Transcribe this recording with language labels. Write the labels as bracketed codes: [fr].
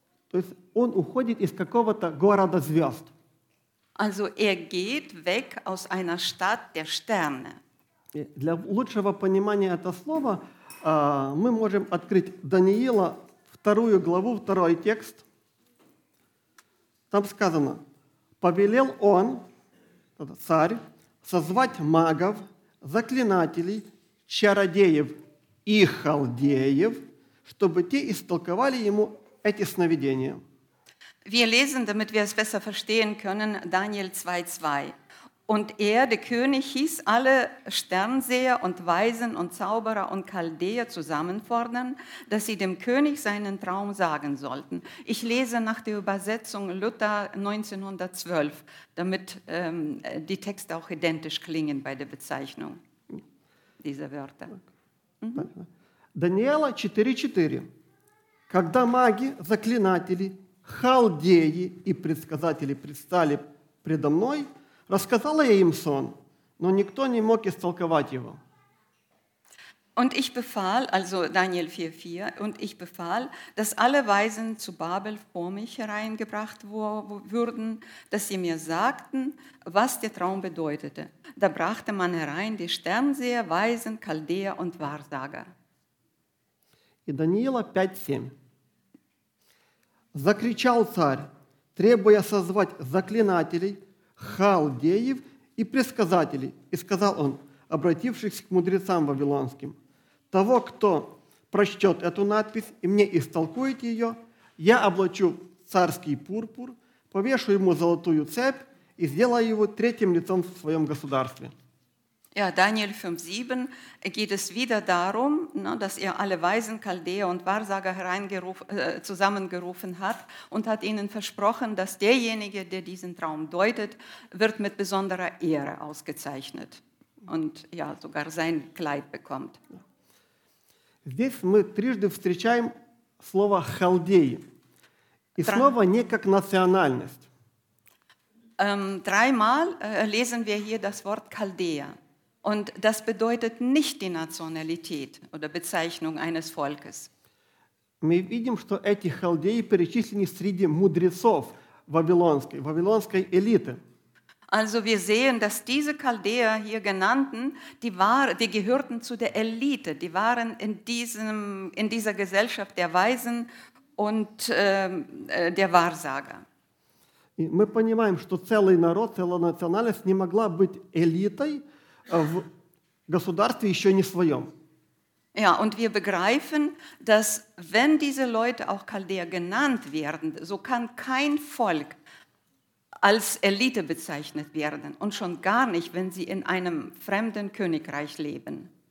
[ru] То есть он уходит из какого-то города звезд. [de] Also geht weg aus einer Stadt der Sterne. [ru] Для лучшего понимания этого слова мы можем открыть Даниила, вторую главу, второй текст. Там сказано, повелел он, царь, созвать магов, заклинателей, чародеев, и халдеев, чтобы те истолковали ему эти сновидения. [de] Wir lesen, damit wir es besser verstehen können, Daniel 2,2. Und er, der König, hieß alle Sternseher und Weisen und Zauberer und Chaldäer zusammenfordern, dass sie dem König seinen Traum sagen sollten. Ich lese nach der Übersetzung Luther 1912, damit die Texte auch identisch klingen bei der Bezeichnung dieser Wörter. Daniela 4,4. [ru] Когда маги, заклинатели, халдеи и предсказатели предстали предо мной, рассказала я им сон, но никто не мог истолковать его. [de] Und ich befahl, also Daniel 4,4, und ich befahl, dass alle Weisen zu Babel vor mich hereingebracht würden, dass sie mir sagten, was der Traum bedeutete. Da brachte man herein die Sternseher, Weisen, Chaldeer und Wahrsager. [ru] И Даниила 5,7. Закричал царь, требуя созвать заклинателей, халдеев и предсказателей, и сказал он, обратившись к мудрецам вавилонским, того, кто прочтет эту надпись и мне истолкует ее, я облачу царский пурпур, повешу ему золотую цепь и сделаю его третьим лицом в своем государстве. [de] Ja, Daniel 5,7 geht es wieder darum, ne, dass er alle Weisen, Chaldeer und Wahrsager zusammengerufen hat und hat ihnen versprochen, dass derjenige, der diesen Traum deutet, wird mit besonderer Ehre ausgezeichnet und ja, sogar sein Kleid bekommt. [ru] Здесь мы трижды встречаем слово «халдеи». И снова не как национальность. [de] Dreimal lesen wir hier das Wort «Chaldeer». Und das bedeutet nicht die Nationalität oder Bezeichnung eines Volkes. [ru] Мы видим, что эти халдеи перечислены среди мудрецов вавилонской элиты. [de] Also wir sehen, dass diese Chaldeer hier genannten, die gehörten zu der Elite, die waren in dieser Gesellschaft der Weisen und der Wahrsager. [ru] И мы понимаем, что целый народ, целая национальность не могла быть элитой в государстве еще не своем. [de] Ja, und wir begreifen, dass wenn diese Leute auch Chaldeer genannt werden, so kann kein Volk als Elite bezeichnet werden und schon gar nicht, wenn sie in einem fremden Königreich leben.